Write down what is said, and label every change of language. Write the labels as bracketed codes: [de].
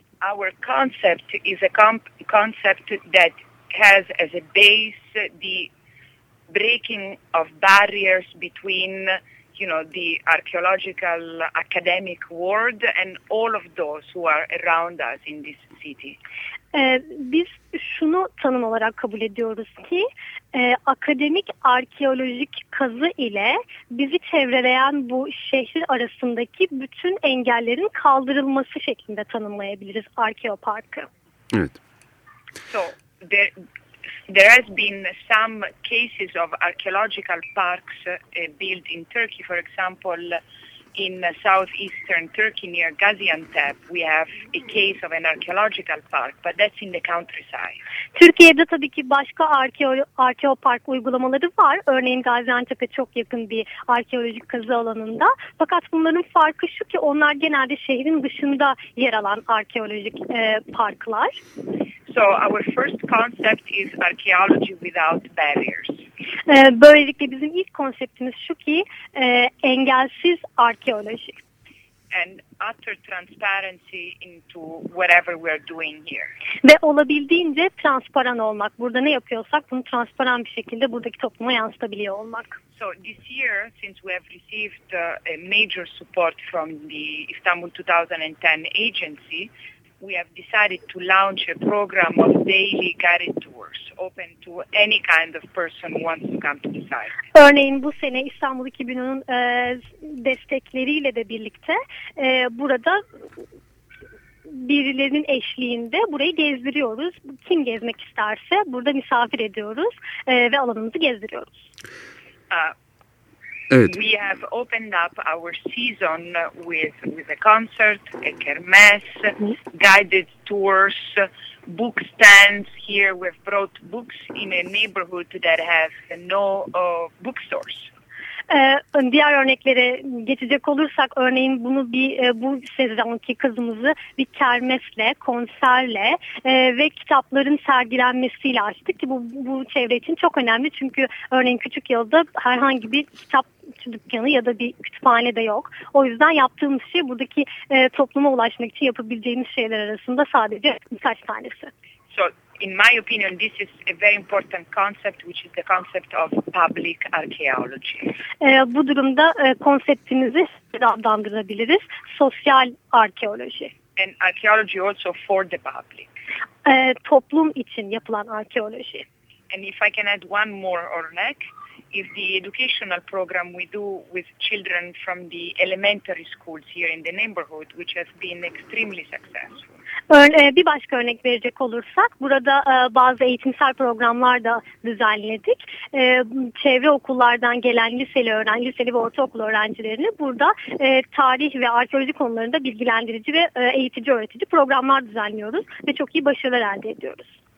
[en] our concept is a concept that has as a base the breaking of barriers between, you know, the archaeological academic world and all of those who are around us in this city. [tr] Biz şunu tanım olarak kabul ediyoruz ki akademik arkeolojik kazı ile bizi çevreleyen bu şehir arasındaki bütün engellerin kaldırılması şeklinde tanımlayabiliriz arkeoparkı. Evet. [en] So there has been some cases of archaeological parks built in Turkey, for example. In southeastern Turkey near Gaziantep, we have a case of an archaeological park, but that's in the countryside. [tr] Türkiye'de tabii ki başka arkeopark uygulamaları var. Örneğin Gaziantep'e çok yakın bir arkeolojik kazı alanında. Fakat bunların farkı şu ki onlar genelde şehrin dışında yer alan arkeolojik parklar. [en] So our first concept is archaeology without barriers. [tr] Böylelikle bizim ilk konseptimiz şu ki engelsiz arkeoloji. [en] And utter transparency into whatever we're doing here. [tr] Ve olabildiğince transparan olmak. Burada ne yapıyorsak bunu transparan bir şekilde buradaki topluma yansıtabiliyor olmak. [en] So this year, since we have received a major support from the Istanbul 2010 agency, we have decided to launch a program of daily guided tours open to any kind of person who wants to come to the site. [tr] Örneğin bu sene İstanbul 2000'ün destekleriyle de birlikte burada birilerinin eşliğinde burayı gezdiriyoruz. Kim gezmek isterse burada misafir ediyoruz ve alanımızı gezdiriyoruz. Evet. [en] We have opened up our season with a concert, a kermesse, guided tours, book stands. Here we've brought books in a neighborhood that has no bookstores. [tr] Diğer örneklere geçecek olursak, örneğin bunu bir bu sezonki kazımızı bir kermesle, konserle ve kitapların sergilenmesiyle açtık ki bu çevre için çok önemli. Çünkü örneğin küçük yılda herhangi bir kitap dükkanı ya da bir kütüphane de yok. O yüzden yaptığımız şey buradaki topluma ulaşmak için yapabileceğimiz şeyler arasında sadece birkaç tanesi. [en] So in my opinion this is a very important concept, which is the concept of public archaeology. [tr] Bu durumda konseptimizi adlandırabiliriz. Sosyal arkeoloji. [en] And archaeology also for the public. [tr] Toplum için yapılan arkeoloji. [en] And if I can add one more or neck. If the educational program we do with children from the elementary schools here in the neighborhood, which has been extremely successful. [tr] Bir başka örnek verecek olursak, burada bazı eğitimsel programlar da düzenledik. Çevre okullardan gelen liseli ve ortaokul öğrencilerini burada tarih ve arkeoloji konularında bilgilendirici ve eğitici öğretici programlar düzenliyoruz ve çok iyi başarılar elde ediyoruz.